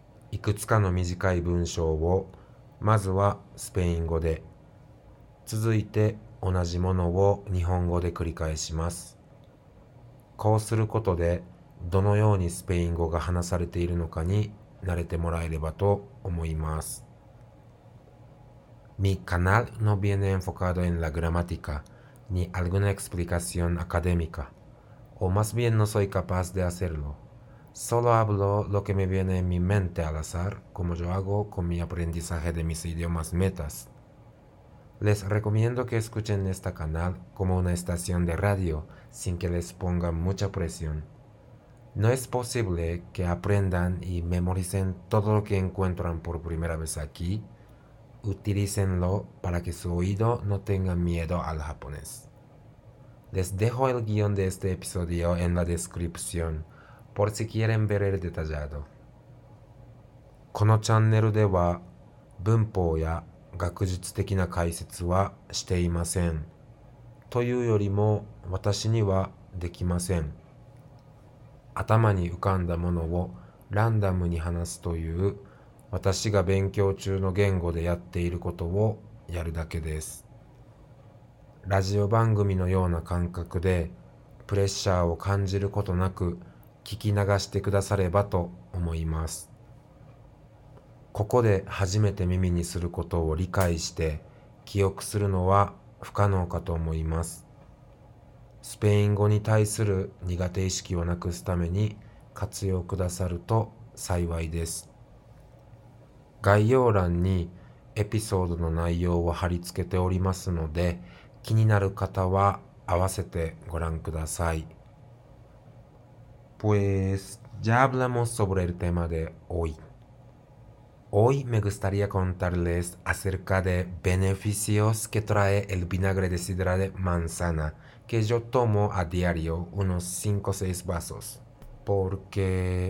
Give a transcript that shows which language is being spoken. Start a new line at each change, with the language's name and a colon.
Japanese: いくつかの短い文章を、まずはスペイン語で、続いて同じものを日本語で繰り返します。こうすることで、どのようにスペイン語が話されているのかに慣れてもらえればと思います。
Spanish: Mi canal no viene enfocado en la gramática. Ni alguna explicación académica, o más bien no soy capaz de hacerlo. Solo hablo lo que me viene en mi mente al azar, como yo hago con mi aprendizaje de mis idiomas metas. Les recomiendo que escuchen este canal como una estación de radio, sin que les ponga mucha presión. No es posible que aprendan y memoricen todo lo que encuentran por primera vez aquí. Utilícenlo para que su oído no tenga miedo al japonés. Les dejo el guión de este episodio en la descripción, por si quieren ver el detallado.
Japanese: このチャンネルでは文法や学術的な解説はしていません。というよりも私にはできません。頭に浮かんだものをランダムに話すという私が勉強中の言語でやっていることをやるだけです。ラジオ番組のような感覚でプレッシャーを感じることなく聞き流してくださればと思います。ここで初めて耳にすることを理解して記憶するのは不可能かと思います。スペイン語に対する苦手意識をなくすために活用くださると幸いです。概要欄にエピソードの内容を貼り付けておりますので、気になる方は合わせてご覧ください。
Spanish: Pues, ya hablamos sobre el tema de hoy. Hoy me gustaría contarles acerca de beneficios que trae el vinagre de sidra de manzana, que yo tomo a diario unos 5 o 6 vasos. Porque...